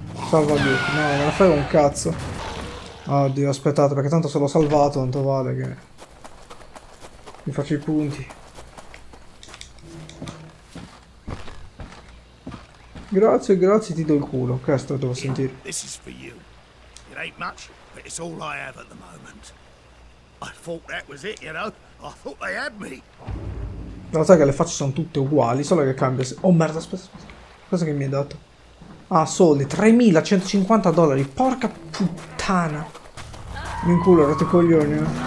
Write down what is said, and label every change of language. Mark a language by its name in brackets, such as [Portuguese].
[Italian] Salva lui, no, me la fai un cazzo. Oddio, aspettate, perché tanto se l'ho salvato tanto vale che mi faccio i punti. Grazie, grazie, ti do il culo. Che è stato, devo sentire. [English] This is for you. It ain't much, but it's all I have at the moment. I thought that was it, you know. I thought they had me. [Italian] La cosa è che le facce sono tutte uguali, solo che cambia se... Oh merda, aspetta, cosa che mi hai dato? Ah, soldi, $3.150, porca puttana. Mi inculo, rotto i coglioni, eh.